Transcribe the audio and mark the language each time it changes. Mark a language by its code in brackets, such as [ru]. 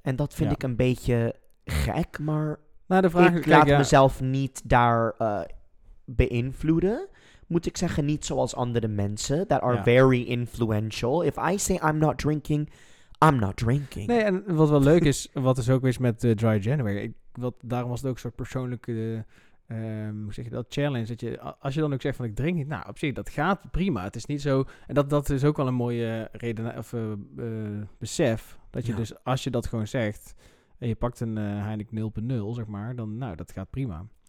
[nl] En dat vind ik een beetje gek, maar nou, de vraag, ik laat mezelf niet daar beïnvloeden. Moet ik zeggen, niet zoals andere mensen [en] that are very influential. If I say I'm not drinking, I'm not drinking. [nl] Nee, en wat wel leuk is, wat is ook weer met Dry January. Daarom was het ook een soort persoonlijke hoe zeg je dat, challenge, dat je, als je dan ook zegt van ik drink niet, nou op zich, dat gaat prima, het is niet zo, en dat is ook wel een mooie reden, of besef, dat je dus, als je dat gewoon zegt, en je pakt een Heineken 0.0, zeg maar, dan, nou, dat gaat prima.